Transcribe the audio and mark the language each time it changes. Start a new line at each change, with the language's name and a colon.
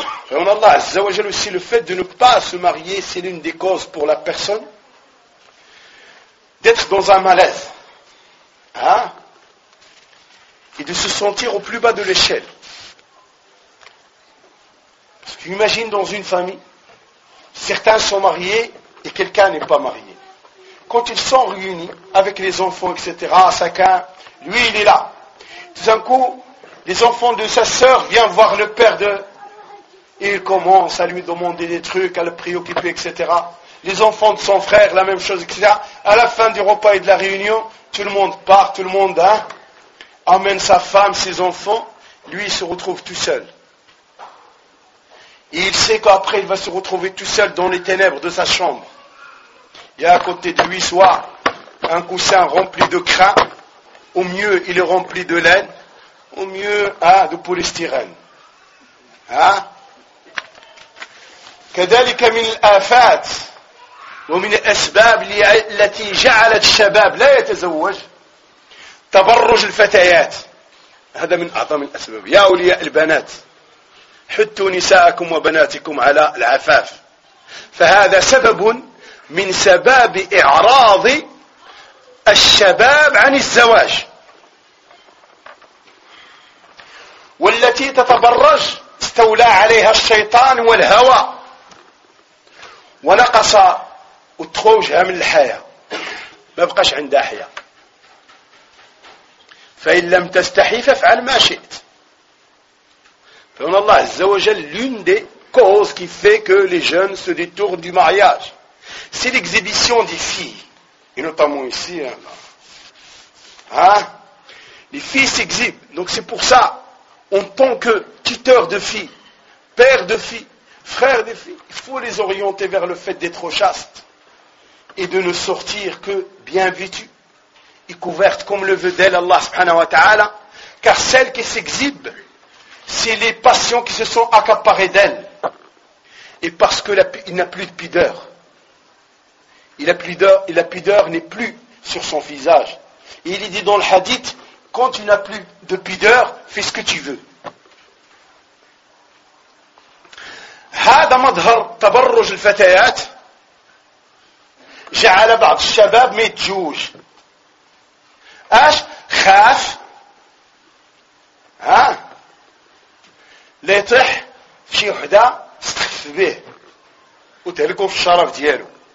Arabic: فهمنا الله عز وجل
French: aussi le fait de ne pas se marier c'est l'une des causes pour la personne d'être dans un malaise et de se sentir au plus bas de l'échelle Parce que tu imagines dans une famille, certains sont mariés et quelqu'un n'est pas marié. Quand ils sont réunis avec les enfants, etc., chacun, lui, il est là. Tout d'un coup, les enfants de sa sœur viennent voir le père de... Et il commence à lui demander des trucs, à le préoccuper, etc. Les enfants de son frère, la même chose, etc. À la fin du repas et de la réunion, tout le monde part, tout le monde hein, amène sa femme, ses enfants. Lui, il se retrouve tout seul. Et il sait qu'après, il va se retrouver tout seul dans les ténèbres de sa chambre. Il y a à côté de lui, soit un coussin rempli de crin, au mieux, il est rempli de laine, au mieux, hein, de polystyrène. Hein?
Arabic: كذلك من الآفات ومن الأسباب التي جعلت الشباب لا يتزوج تبرج الفتيات هذا من أعظم الأسباب يا أولياء البنات حتوا نساءكم وبناتكم على العفاف فهذا سبب من سباب إعراض الشباب عن الزواج والتي تتبرج استولى عليها الشيطان والهوى ونقص وتخوجها من الحياة ما بقاش عندها حياة فإن لم تستحي فافعل ما شئت فإن الله عز وجل
French: l'une des causes qui fait que les jeunes se détournent du mariage c'est l'exhibition des filles et notamment ici hein, hein? Les filles s'exhibent donc c'est pour ça en tant que tuteur de filles père de filles Frères et filles, il faut les orienter vers le fait d'être chaste et de ne sortir que bien vêtues et couvertes comme le veut d'elle Allah subhanahu wa ta'ala. Car celles qui s'exhibent, c'est les passions qui se sont accaparées d'elle. Et parce qu'il n'a plus de pudeur. Il a plus d'or, et la pudeur n'est plus sur son visage. Et il est dit dans le hadith, quand tu n'as plus de pudeur, fais ce que tu veux.
Arabic: هذا مظهر تبرج الفتيات جعل بعض الشباب ما يتزوج اش خاف ها ليطيح في شي وحده تستخف به وتهلكو في الشرف ديالو